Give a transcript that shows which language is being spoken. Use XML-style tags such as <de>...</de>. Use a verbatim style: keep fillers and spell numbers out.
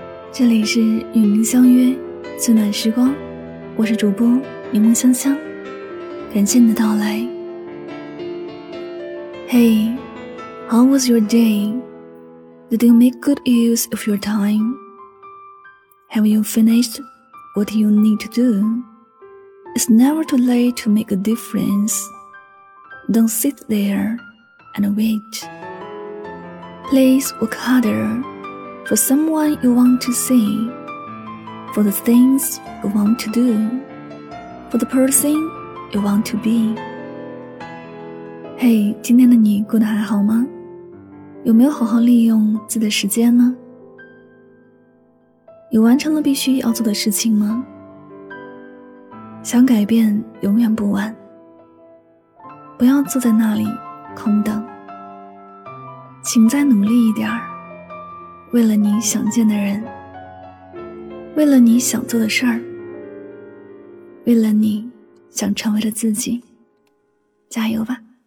<zh>这里是与您相约最暖时光，我是主播柠檬香香，感谢你的到来。</zh> <en>Hey, how was your day? Did you make good use of your time? Have you finished what you need to do? It's never too late to make a difference. Don't sit there and wait. Please work harder for someone you want to see, for the things you want to do, for the person you want to be.</en> <zh>嘿、hey, 今天的你过得还好吗？有没有好好利用自己的时间呢？有完成了必须要做的事情吗？想改变永远不晚，不要坐在那里空等，请再努力一点儿，为了你想见的人，为了你想做的事儿，为了你想成为的自己，加油吧。</zh>